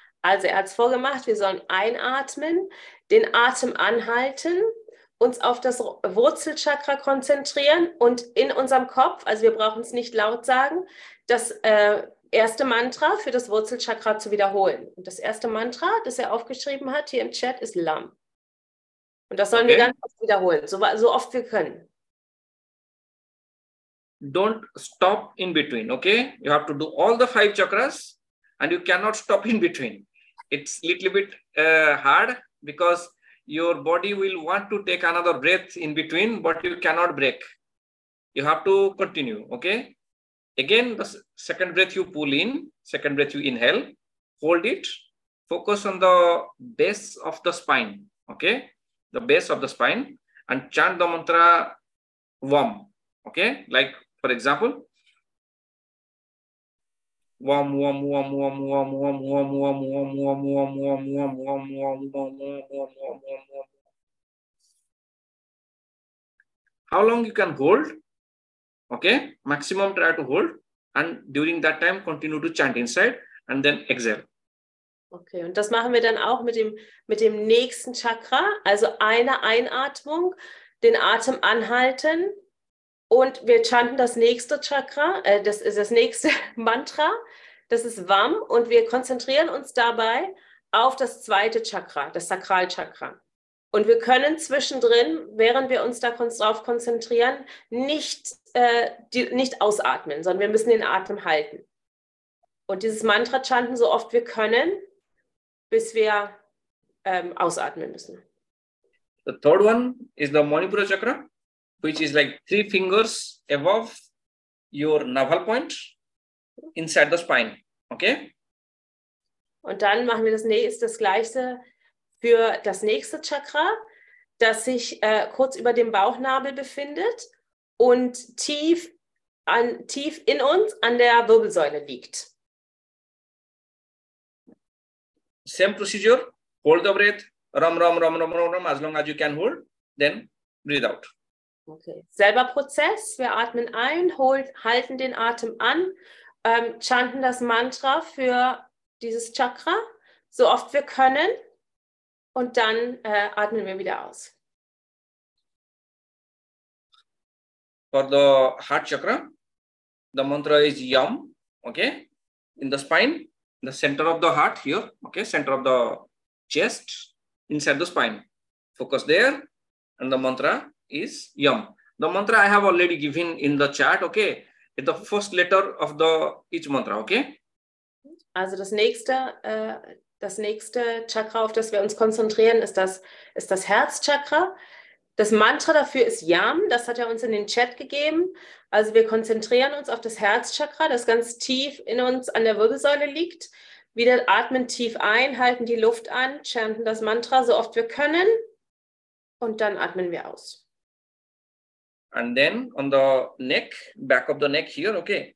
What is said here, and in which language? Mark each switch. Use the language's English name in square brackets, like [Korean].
[German] Also er hat es vorgemacht, wir sollen einatmen, den Atem anhalten, uns auf das Wurzelchakra konzentrieren und in unserem Kopf, also wir brauchen es nicht laut sagen, das erste Mantra für das Wurzelchakra zu wiederholen. Und das erste Mantra, das er aufgeschrieben hat hier im Chat, ist Lam. Und das sollen wir ganz oft wiederholen, so oft wir können. [English] Don't stop in between, okay? You have to do all the five chakras. And you cannot stop in between. It's a little bit hard because your body will want to take another breath in between, but you cannot break. You have to continue, okay? Again, the second breath you pull in, second breath you inhale, hold it, focus on the base of the spine, okay? The base of the spine and chant the mantra VAM, okay? Like, for example, wom wom wom wom wom wom wom wom wom wom wom wom wom wom wom wom wom wom wom wom wom. How long you can hold, okay? Maximum try to hold, and during that time continue to chant inside and then exhale. [German] Okay, und das machen wir dann auch mit dem nächsten Chakra, also eine Einatmung, den Atem anhalten. Und wir chanten das nächste Chakra, das ist das nächste Mantra, das ist Vam. Und wir konzentrieren uns dabei auf das zweite Chakra, das Sakralchakra. Und wir können zwischendrin, während wir uns da drauf konzentrieren, nicht ausatmen, sondern wir müssen den Atem halten. Und dieses Mantra chanten so oft wir können, bis wir ausatmen müssen. [English] The third one is the Manipura Chakra, which is like three fingers above your navel point inside the spine. Okay? [German] Und dann machen wir das Gleiche für das nächste Chakra, das sich kurz über dem Bauchnabel befindet und tief in uns an der Wirbelsäule liegt. [English] Same procedure, hold the breath, ram, ram, ram, ram, ram, ram, as long as you can hold, then breathe out. [German] Okay, selber Prozess, wir atmen ein, halten den Atem an, chanten das Mantra für dieses Chakra, so oft wir können, und dann atmen wir wieder aus. [English] For the heart chakra, the mantra is yam, okay, in the spine. The center of the heart here, okay, center of the chest, inside the spine. Focus there, and the mantra is yam. The mantra I have already given in the chat, okay? It's the first letter of the each mantra, okay? [German] Also das nächste Chakra, auf das wir uns konzentrieren, ist das Herzchakra. Das Mantra dafür ist Yam, das hat er uns in den Chat gegeben. Also wir konzentrieren uns auf das Herzchakra, das ganz tief in uns an der Wirbelsäule liegt. Wieder atmen tief ein, halten die Luft an, chanten das Mantra so oft wir können und dann atmen wir aus. [English] And then on the neck, back of the neck here, okay?